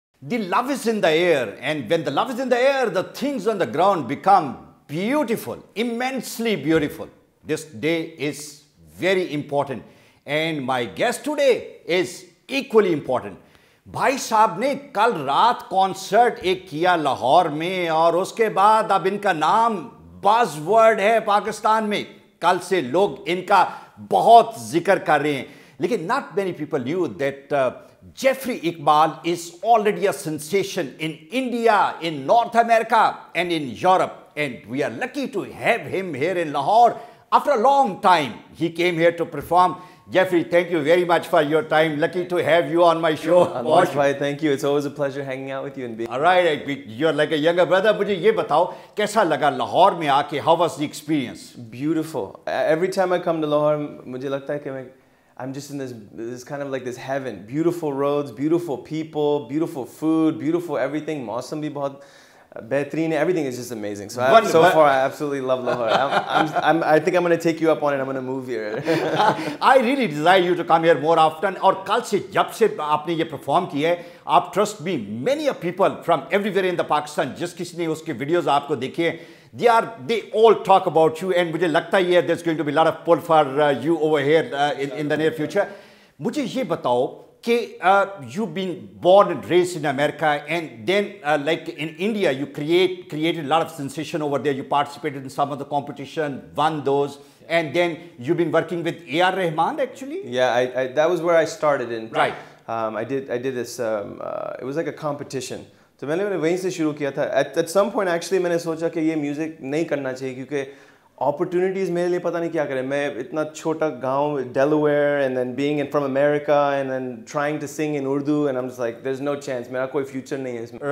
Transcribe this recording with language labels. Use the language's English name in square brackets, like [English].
[English] the love is in the air and when the love is in the air the things on the ground become beautiful immensely beautiful this day is very important and my guest today is equally important [Hindi] भाई साहब ने कल रात concert एक किया लाहौर में और उसके बाद अब इनका नाम बज़वर्ड है पाकिस्तान में कल से लोग इनका बहुत जिक्र कर रहे हैं लेकिन [English] Not many people knew that Jeffrey Iqbal is already a sensation in India in North America and in Europe and we are lucky to have him here in Lahore after a long time he came here to perform Jeffrey, thank you very much for your time. Lucky to have you on my show. Anmol bhai, thank you. It's always a pleasure hanging out with you and being. All right, you're like a younger brother. [Hindi] मुझे ये बताओ कैसा लगा लाहौर में आके? [English] How was the experience? Beautiful. Every time I come to Lahore, [Hindi] मुझे लगता है कि मैं [English] I'm just in this kind of like this heaven. Beautiful roads, beautiful people, beautiful food, beautiful everything. [Hindi] मौसम भी बहुत बेहतरीन है. [English] Everything is just amazing. So far, I absolutely love Lahore. I think I'm going to take you up on it. I'm going to move here. I really desire you to come here more often. [Hindi] और कल से जब से आपने ये perform किया है, [English] आप trust me, many a people from everywhere in the Pakistan, [Hindi] जिस किसी ने उसके videos आपको देखे हैं, [English] they all talk about you. And [Hindi] मुझे लगता ही है, [English] there's going to be a lot of pull for you over here in the near future. [Hindi] मुझे ये बताओ कि [English] you been born and raised in America and then like in India you created lot of sensation over there you participated in some of the competition one those and then you been working with A R Rahman actually yeah I that was where I started in right [Hindi] I did this it was like a competition तो मैंने वहीं से शुरू किया था at some point actually मैंने सोचा कि ये म्यूजिक नहीं करना चाहिए क्योंकि opportunities mere liye pata nahi kya kare main itna chota gaon Delaware and then being in from America and then trying to sing in Urdu and [English] I'm just like there's no chance [Hindi] mera koi future nahi hai isme